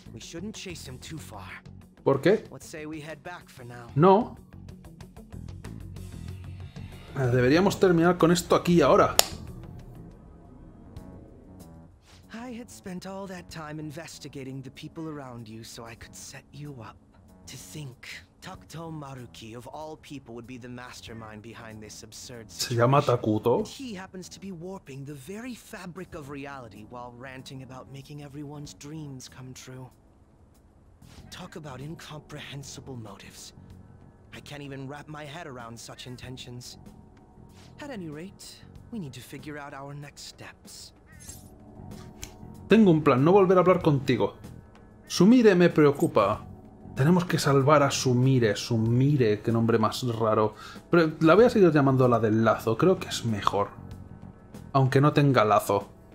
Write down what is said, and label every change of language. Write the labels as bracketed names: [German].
[English] Shouldn't chase him too far. [Spanish] ¿Por qué? [English] Let's say we head back for now. [Spanish] No. Deberíamos terminar con esto aquí ahora. [English] I had spent all that time investigating the people around you so I could set you up. To think Takuto Maruki of all people would be the mastermind behind this absurd situation. [Spanish] ¿Se llama Takuto? [English] And he happens to be warping the very fabric of reality while ranting about making everyone's dreams come true. Talk about incomprehensible motives. I can't even wrap my head around such intentions. At any rate, we need to figure out our next steps. [Spanish] Tengo un plan, no volver a hablar contigo. Sumire me preocupa. Tenemos que salvar a Sumire. Sumire, qué nombre más raro. Pero la voy a seguir llamando la del lazo, creo que es mejor. Aunque no tenga lazo.